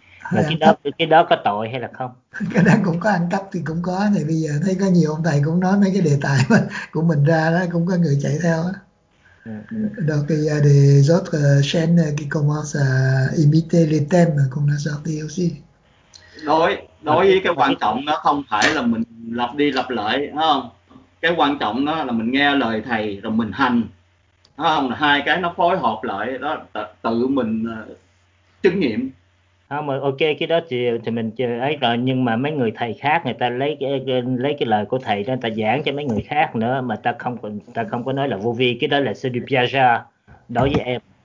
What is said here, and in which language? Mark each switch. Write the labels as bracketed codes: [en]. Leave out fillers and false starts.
[vi] Là cái đó có tội hay là không? Cái đó cũng có ăn cắp thì cũng có. Thì bây giờ thấy có nhiều ông thầy cũng nói mấy cái đề tài của mình ra đó, cũng có người chạy theo đó. [fr] Donc il y a des autres chaînes qui commencent à imiter les thèmes qu'on a sortis aussi. [vi] Đối với cái quan trọng đó không phải là mình lặp đi lặp lại, đúng không? Cái quan trọng đó là mình nghe lời thầy rồi mình hành, đúng không? Hai cái nó phối hợp lại đó, tự mình chứng nghiệm. Không, ok, cái đó thì mình ấy rồi, nhưng mà mấy người thầy khác người ta lấy cái lời của thầy đó người ta giảng cho mấy người khác nữa, mà ta không có nói là vô vi, cái đó là sự du piaget đối với em.